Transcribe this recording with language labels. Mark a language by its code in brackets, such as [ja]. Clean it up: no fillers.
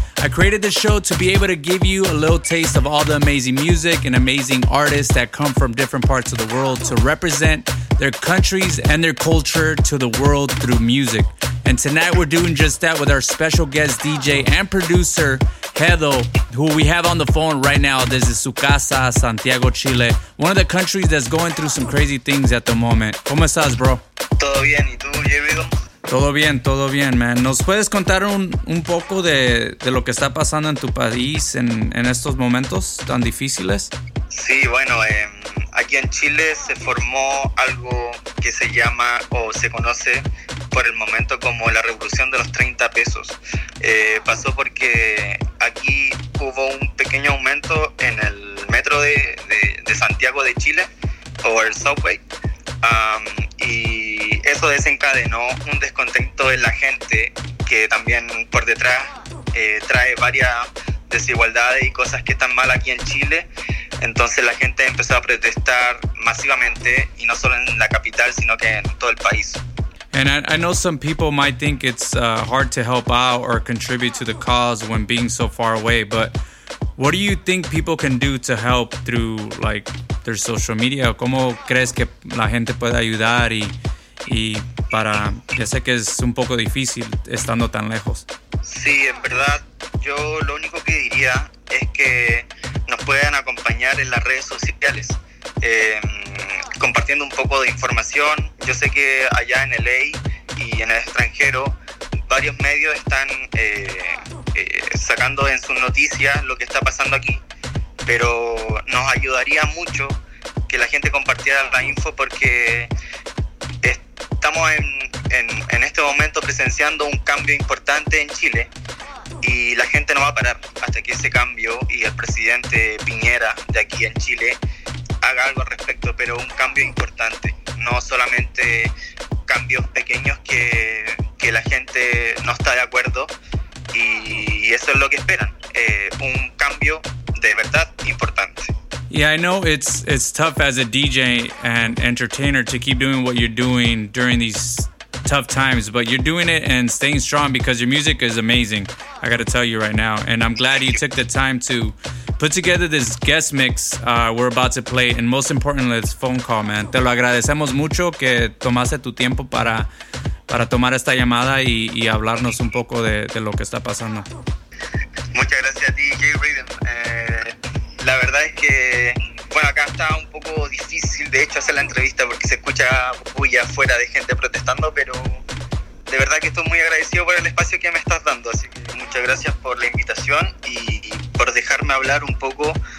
[en] I created this show to be able to give you a little taste of all the amazing music and amazing artists that come from different parts of the world to represent their countries and their culture to the world through music. And tonight we're doing just that with our special guest DJ and producer, Hedo, who we have on the phone right now. This is [es] su casa, [en] Santiago, Chile, one of the countries that's going through some crazy things at the moment. [es] ¿Cómo estás, bro? Todo bien, ¿y tú, Jerry? Todo bien, man. ¿Nos puedes contar un poco de lo que está pasando en tu país en estos momentos tan difíciles? Sí, bueno, aquí en Chile se formó algo que se llama o se conoce por el momento como la revolución de los 30 pesos. Pasó porque aquí hubo un pequeño aumento en el metro de Santiago de Chile, o el subway, y eso desencadenó un descontento en la gente que también por detrás trae varias desigualdades y cosas que están mal aquí en Chile. Entonces la gente empezó a protestar masivamente, y no solo en la capital, sino que en todo el país. [en] And I know some people might think it's hard to help out or contribute to the cause when being so far away, but what do you think people can do to help through, like, their social media? [es] ¿Cómo crees que la gente puede ayudar y para...? Ya sé que es un poco difícil estando tan lejos. Sí, en verdad, yo lo único que diría es que nos puedan acompañar en las redes sociales, compartiendo un poco de información. Yo sé que allá en LA y en el extranjero, varios medios están sacando en sus noticias lo que está pasando aquí, pero nos ayudaría mucho que la gente compartiera la info, porque estamos en este momento presenciando un cambio importante en Chile, y la gente no va a parar hasta que ese cambio y el presidente Piñera de aquí en Chile haga algo al respecto, pero un cambio importante, no solamente cambios pequeños que la gente no está de acuerdo, y eso es lo que esperan, un cambio de verdad importante. [en] Yeah, I know it's tough as a DJ and entertainer to keep doing what you're doing during these tough times, but you're doing it and staying strong because your music is amazing, I gotta tell you right now, and I'm glad you took the time to put together this guest mix we're about to play, and most importantly, this phone call, man. [es] Te lo agradecemos mucho que tomaste tu tiempo para tomar esta llamada y hablarnos un poco de lo que está pasando. Muchas gracias a ti, Jay Rhythm. La verdad es que, bueno, acá está un poco difícil, de hecho, hacer la entrevista porque se escucha bulla afuera de gente protestando, pero de verdad que estoy muy agradecido por el espacio que me estás dando, así que muchas gracias por la invitación y por dejarme hablar un poco